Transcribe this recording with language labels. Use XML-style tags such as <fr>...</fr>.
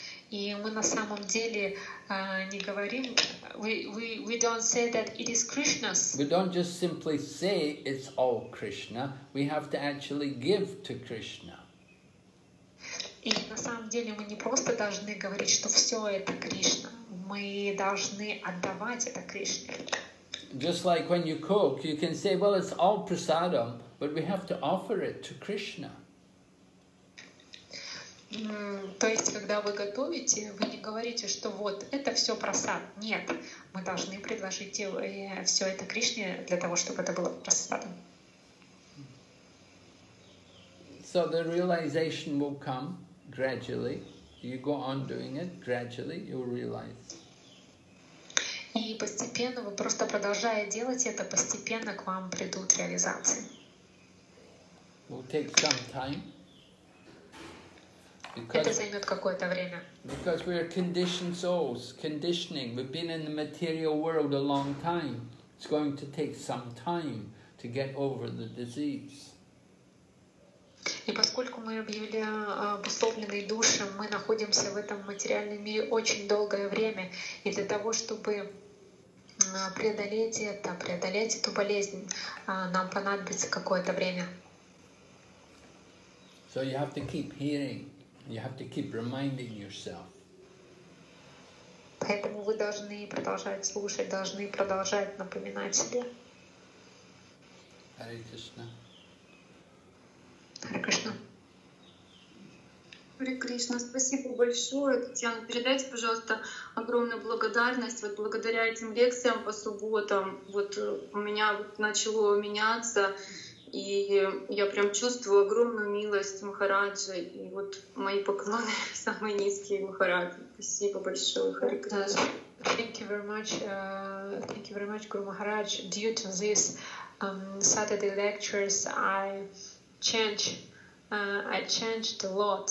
<ru>И мы на самом деле не говорим.</ru> <en>We don't say that it is Krishna's. We don't just simply say it's all Krishna. We have to actually give to Krishna.</en> <ru>И на самом деле мы не просто должны говорить, что все это Кришна. Мы должны отдавать это Кришне.</ru> <en>Just like when you cook, you can say, well, it's all prasadam, but we have to offer it to Krishna.</en> <ru>То есть, когда вы готовите, вы не говорите, что вот, это все прасад. Нет, мы должны предложить все это Кришне для того, чтобы это было прасадом.</ru> <en>So the realization will come gradually. You go on doing it gradually, you'll realize.</en> <ru>И постепенно, вы просто продолжая делать это, постепенно к вам придут реализации.</ru> <en>We'll take some time.</en> <ru>Это займет какое-то время.</ru> <en>Because we are conditioned souls, conditioning. We've been in the material world a long time. It's going to take some time to get over the disease.</en> <ru>И поскольку мы объявили обусловленной души, мы находимся в этом материальном мире очень долгое время. И для того, чтобы преодолеть это, преодолеть эту болезнь, нам понадобится какое-то время.</ru> <en>So you have to keep hearing, you have to keep reminding yourself.</en> <ru>Поэтому вы должны продолжать слушать, должны продолжать напоминать себе.</ru> <sa>Hare Krishna. Hare Krishna.</sa> <ru>Hare Krishna, спасибо большое, Татьяна. Передайте, пожалуйста, огромную благодарность. Вот благодаря этим лекциям по субботам вот у меня начало меняться. И я прям чувствую огромную милость Махараджа, и вот мои поклоны самые низкие Махараджи. Спасибо большое, Харе Кришна.</ru> <en>Thank you very much, Guru Maharaj. Due to this Saturday lectures, I changed a lot.</en>